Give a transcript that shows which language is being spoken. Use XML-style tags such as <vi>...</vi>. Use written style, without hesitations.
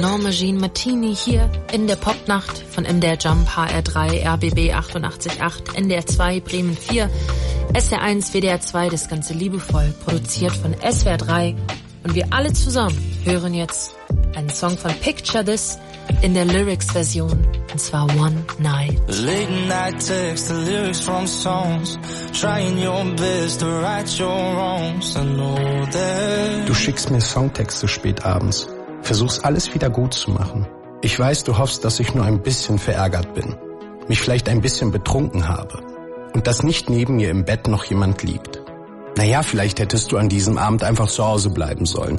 <de>Jean Martini hier in der Popnacht von MDR Jump, HR3, RBB 88.8, NDR 2, Bremen 4, SWR 1, WDR 2, das Ganze liebevoll produziert von SWR 3. Und wir alle zusammen hören jetzt einen Song von Picture This in der Lyrics-Version, und zwar One Night.</de> <en>Late night text, the lyrics from songs, trying your best to right your wrongs. I know that.</en> <de>Du schickst mir Songtexte spät abends. Versuch's alles wieder gut zu machen. Ich weiß, du hoffst, dass ich nur ein bisschen verärgert bin, mich vielleicht ein bisschen betrunken habe und dass nicht neben mir im Bett noch jemand liegt. Naja, vielleicht hättest du an diesem Abend einfach zu Hause bleiben sollen.</de>